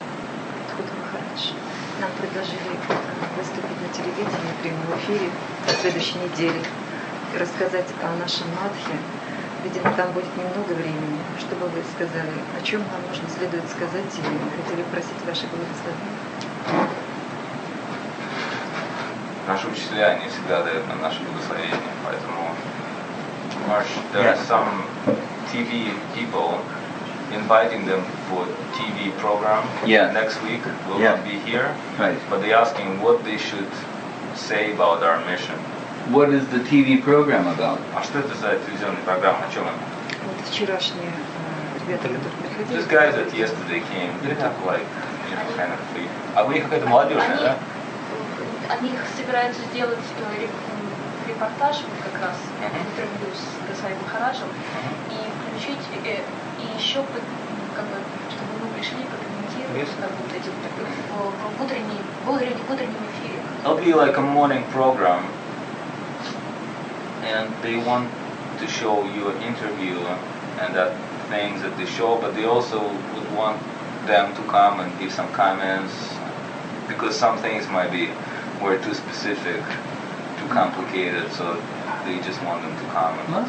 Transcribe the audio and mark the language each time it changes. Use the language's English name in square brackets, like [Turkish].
[Russian] Иванович, нам предложили выступить на телевидении в прямом эфире в следующей неделе и рассказать о нашем Мадхе. Видимо, там будет немного времени. Что бы вы сказали? О чем вам нужно следует сказать? И хотели просить ваше благословение. Наши учителя, они всегда дают нам наше благословение, поэтому... [English] Марш, there are some TV people inviting them for TV program next week. Will not be here, right. But they're asking what they should say about our mission. What is the TV program about? [Russian] А что это за телевизионная программа? О чем она? Вот вчерашние ребята, которые приходили. [English] These guys that yesterday came, they look like, you know, kind of free. [Russian] А у них какая-то молодежь, да? Они собираются делать репортаж как раз, интервью с Гасай Махараджем, и включить, и еще, как бы, чтобы мы пришли прокомментировать в утреннем эфире. [English] It'll be like a morning program, and they want to show your interview and that things that they show, but they also would want them to come and give some comments, because some things might be were too specific, too complicated, so they just want them to come and